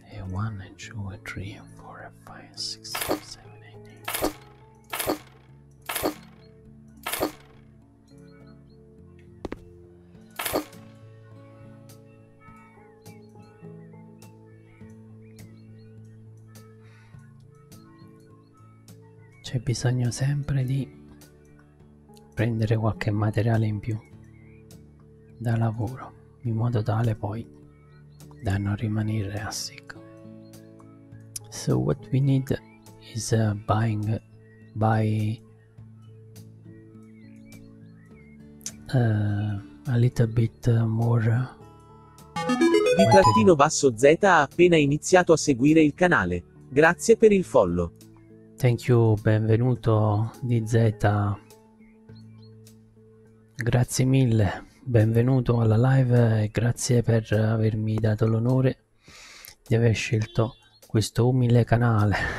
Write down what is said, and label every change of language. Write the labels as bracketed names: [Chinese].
[English] One and two and three and four and five and six and seven and eight. [Italian] C'è bisogno sempre di prendere qualche materiale in più da lavoro, in modo tale poi da non rimanere a secco. [English] So what we need is buying a little bit more. [Italian] Di trattino basso Z ha appena iniziato a seguire il canale. Grazie per il follow. [English] Thank you, [Italian] benvenuto di Z. Grazie mille, benvenuto alla live e grazie per avermi dato l'onore di aver scelto questo umile canale.